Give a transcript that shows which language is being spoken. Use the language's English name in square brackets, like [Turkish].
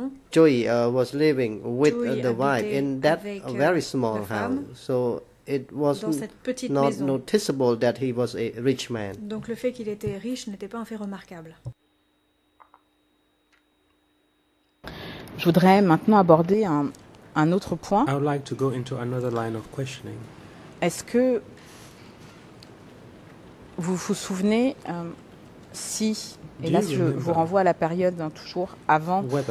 [English] Joey was living with the wife in that very small house. So it was not noticeable that he was a rich man. [French] Donc le fait qu'il était riche n'était pas un fait remarquable. Je voudrais maintenant aborder un autre point. [English] I would like to go into another line of questioning. [French] Est-ce que vous vous souvenez si, et là je vous renvoie à la période toujours avant